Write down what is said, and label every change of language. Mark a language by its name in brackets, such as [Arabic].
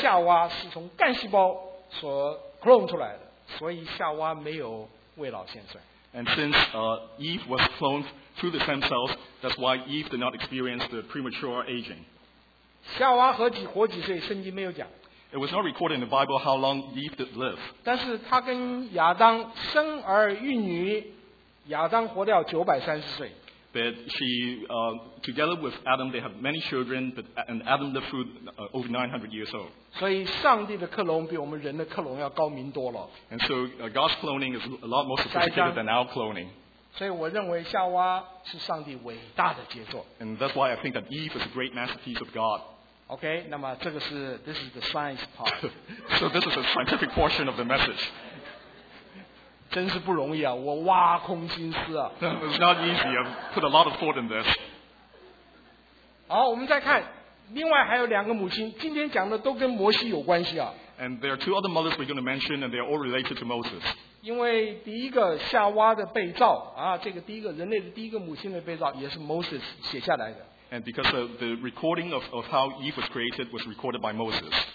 [Chinese] 永远零岁，不会老的。所以，因为夏娃是从干细胞所 clone 出来的，所以夏娃没有未老现象。 [English] And since Eve was cloned through the stem cells, that's why Eve did not experience the premature aging. [Chinese] 夏娃活几岁，圣经没有讲。 [English] It was not recorded in the Bible how long Eve did live. [Chinese] 但是她跟亚当生儿育女，亚当活到930岁。 [English] But she, together with Adam, they have many children, but and Adam lived through over 900 years old. [Chinese] 所以上帝的克隆比我们人的克隆要高明多了。 [English] And so God's cloning is a lot more sophisticated than our cloning. [Chinese] 所以我认为夏娃是上帝伟大的杰作。 [English] And that's why I think that Eve is a great masterpiece of God. Okay, [Chinese] 那么这个是, [English] this is the science part. So this is the scientific portion of the message. [Chinese] 真是不容易啊, 我挖空心思啊。 [English] It's not easy. I've put a lot of thought in this. [Chinese] 好, 我们再看, 另外还有两个母亲, 今天讲的都跟摩西有关系啊。 [English] And there are two other mothers we're going to mention, and they are all related to Moses. [Chinese] 因为第一个夏娃的被造, 啊, 这个第一个, 人类的第一个母亲的被造, 也是Moses写下来的。 [English] And because of the recording of how Eve was created was recorded by Moses.